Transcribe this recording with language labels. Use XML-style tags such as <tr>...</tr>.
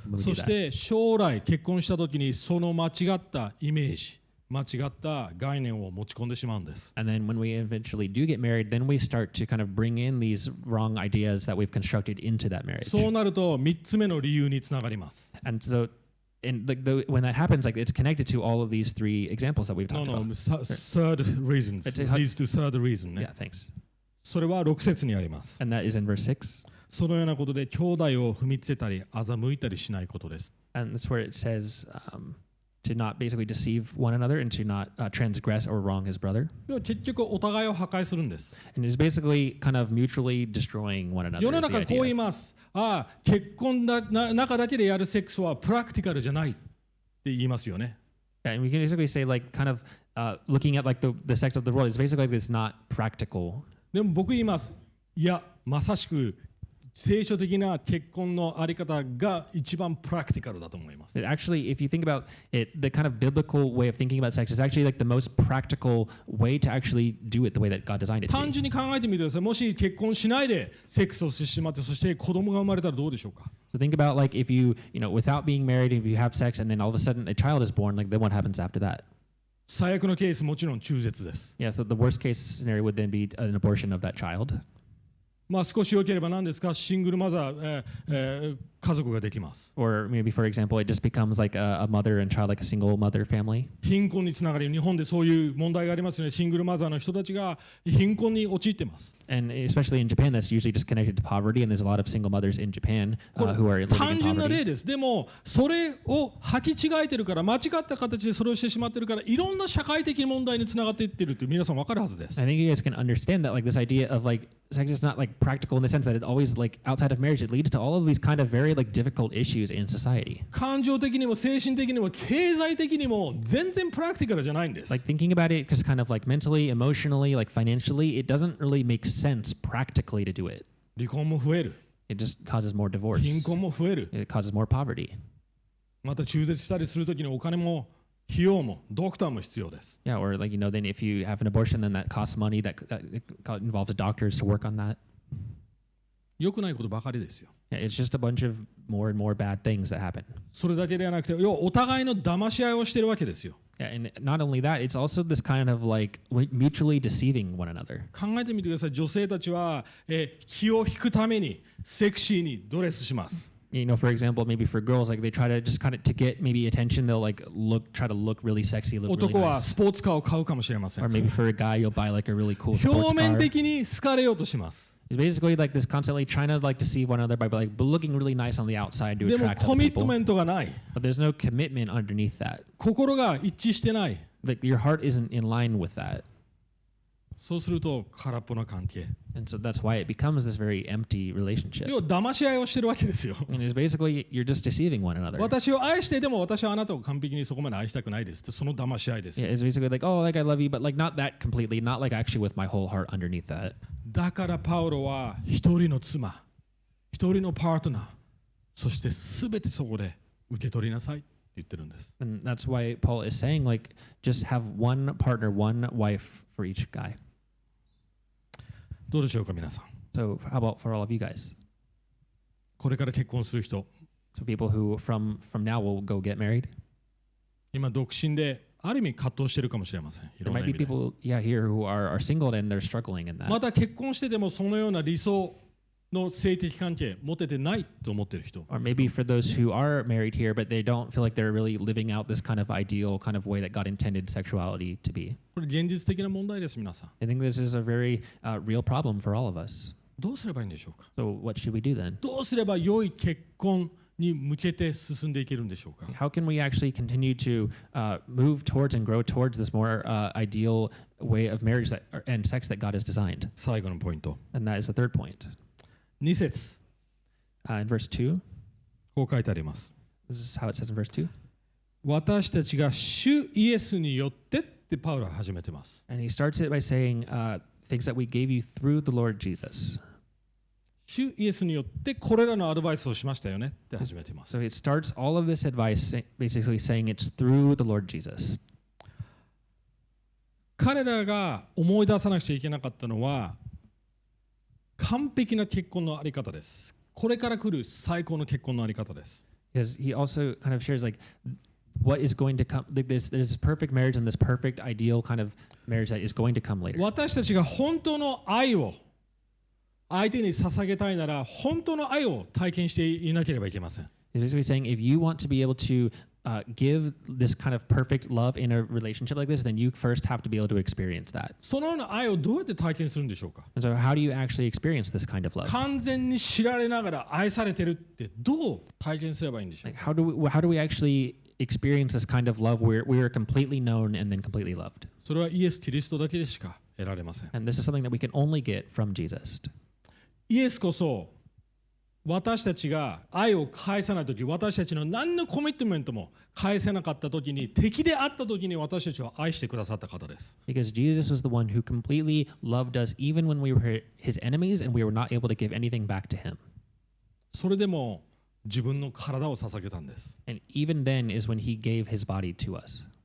<ja>そして将来結婚したときにその間違ったイメージ、間違った概念を持ち込んでしまうんです。</ja> <en>And then when we eventually do get married, then we start to kind of bring in these wrong ideas that we've constructed into that marriage.</en> <ja>そうなると3つ目の理由につながります。</ja> <en>And so,when that happens, like it's connected to all of these three examples that we've talked about. Third reasons. These two third reason. Yeah, thanks.</en> <ja>それは6節にあります。</ja> <en>And that is in verse 6.</en> <ja>そのようなことで兄弟を踏みつけたり欺いたりしないことです。</ja> <en>And that's where it says, to not basically deceive one another and to not transgress or wrong his brother.</en> <ja>結局お互いを破壊するんです。</ja> <en>And it's basically kind of mutually destroying one another.</en> <ja>世の中こう言います。ああ結婚の中だけでやるセックスはプラクティカルじゃないって言いますよね。</ja> <en>Yeah, and we can basically say like kind of looking at like the sex of the world is basically like it's not practical.</en> <ja>でも僕言います。いや、まさしく聖書的な結婚のあり方が一番プラクティカルだと思います。</ja> <en>It actually, if you think about it, the kind of biblical way of thinking about sex is actually like the most practical way to actually do it the way that God designed it.</en> <ja>単純に考えてみてください。もし結婚しないでセックスをしてしまって、そして子供が生まれたらどうでしょうか。</ja> <en>So think about like if you know, without being married, if you have sex and then all of a sudden a child is born, like then what happens after that?</en> <ja>最悪のケースもちろん中絶です。</ja> <en>Yeah, so the worst case scenario would then be an abortion of that child.</en> <ja>まあ、少し良ければ何ですか、シングルマザー、家族ができます。</ja> <en>Or maybe for example, it just becomes like a mother and child, like a single mother family.</en> <ja>貧困につながり、日本でそういう問題がありますよね。シングルマザーの人たちが貧困に陥ってます。</ja> <en>And especially in Japan, that's usually just connected to poverty, and there's a lot of single mothers in Japan, who are living in poverty.</en> <ja>単純な例です。でも、それを履き違えてるから、間違った形でそれをしてしまってるから、いろんな社会的問題につながっていってるって皆さん分かるはずです。</ja> <en>I think you guys can understand that, like this idea of like,Sex is not like practical in the sense that it always like outside of marriage, it leads to all of these kind of very like difficult issues in society.</en> <ja>感情的にも精神的にも経済的にも全然プラクティカルじゃないんです。</ja> <en>Like thinking about it, because kind of like mentally, emotionally, like financially, it doesn't really make sense practically to do it.</en> <ja>離婚も増える。</ja> <en>It just causes more divorce.</en> <ja>貧困も増える。</ja> <en>It causes more poverty.</en> <ja>また中絶したりするときにお金も費用もドクターも必要です。</ja> <en>Yeah, or like, you know, then if you have an abortion, then that costs money that involves doctors to work on that.</en> <ja>良くないことばかりですよ。</ja> <en>Yeah, it's just a bunch of more and more bad things that happen.</en> <ja>それだけではなくて、要はお互いの騙し合いをしているわけですよ。</ja> <en>Yeah, and not only that, it's also this kind of like mutually deceiving one another.</en> <ja>考えてみてください。女性たちは、気を引くためにセクシーにドレスします。</ja> <en>You know, for example, maybe for girls, like they try to just kind of to get maybe attention, they'll like look, try to look really sexy, look really nice.</en> <ja>男はスポーツカーを買うかもしれません。</ja> <en>Or maybe for a guy, you'll buy like a really cool sports car.</en> <ja>表面的に好かれようとします。</ja> <en>It's basically like this constantly trying to like deceive one another by like looking really nice on the outside to attract</en> <ja>でもコミットメントがない。</ja> <en>But there's no commitment underneath that.</en> <ja>心が一致してない。</ja> <en>Like your heart isn't in line with that.</en> <ja>そうすると空っぽな関係。</ja> <en>And so that's why it becomes this very empty relationship.</en> <ja>要は騙し合いをしてるわけですよ。</ja> <en>And it's basically you're just deceiving one another.</en> <ja>私を愛していても私はあなたを完璧にそこまで愛したくないです。その騙し合いです。</ja> <en>Yeah, it's basically like, oh, like I love you, but like not that completely, not like actually with my whole heart underneath that.</en> <ja>だからパウロは一人の妻、一人のパートナー、そして全てそこで受け取りなさい。</ja> <en>And that's why Paul is saying, like, just have one partner, one wife for each guy.</en> <ja>どうでしょうか、皆さん。</ja> <en>So how about for all of you guys?</en> <ja>これから結婚する人。</ja> <en>So people who from now will go get married.</en> <ja>今独身で。ある意味葛藤してるかもしれません。</ja> <en>There might be people, yeah, here who are single and they're struggling in that.</en> <ja>また結婚しててもそのような理想の性的関係持ててないと思ってる人。</ja> <en>Or maybe for those who are married here, but they don't feel like they're really living out this kind of ideal kind of way that God intended sexuality to be.</en> <ja>これ現実的な問題です、皆さん。</ja> <en>I think this is a very real problem for all of us.</en> <ja>どうすればいいんでしょうか。</ja> <en>So what should we do then?</en> <ja>どうすれば良い結婚に向けて進んでいけるんでしょうか。</ja> <en>How can we actually continue to move towards and grow towards this more ideal way of marriage that, and sex that God has designed?</en> <ja>最後のポイント。</ja> <en>And that is the third point.</en> <ja>二節。</ja> <en>In verse 2.</en> <ja>こう書いてあります。</ja> <en>This is how it says in verse 2.</en> <ja>私たちが主イエスによってってパウロは始めてます。</ja> <en>And he starts it by saying things that we gave you through the Lord Jesus.</en> <ja>主イエスによってこれらのアドバイスをしましたよねって始めています</ja> <en>。So it starts all of this advice basically saying it's through the Lord Jesus.</en> <ja>彼らが思い出さなくちゃいけなかったのは完璧な結婚のあり方です。これから来る最高の結婚のあり方です。</ja> <en>Because he also kind of shares like what is going to come, like this perfect marriage and this perfect ideal kind of marriage that is going to come later.</en> <ja>私たちが本当の愛を相手に捧げたいなら本当の愛を体験していなければいけません。</ja> <en>He's basically saying if you want to be able to give this kind of perfect love in a relationship like this, then you first have to be able to experience that.</en> <ja>そのような愛をどうやって体験するんでしょうか。</ja> <en>And so how do you actually experience this kind of love?</en> <ja>完全に知られながら愛されてるってどう体験すればいいんでしょうか。</ja> <en>Like how do we actually experience this kind of love where we are completely known and then completely loved?</en> <ja>それはイエス・キリストだけでしか得られません。</ja> <en>And this is something that we can only get from Jesus.</en> <ja>イエスこそ私たちが愛を返さないとき、私たちの何のコミットメントも返せなかったときに、敵であったときに私たちを愛してくださった方です。</ja> <en>Because Jesus was the one who completely loved us even when we were his enemies and we were not able to give anything back to him.</en> <ja>それでも自分の体を捧げたんです。</ja> <en>And even then is when he gave his body to us.</en>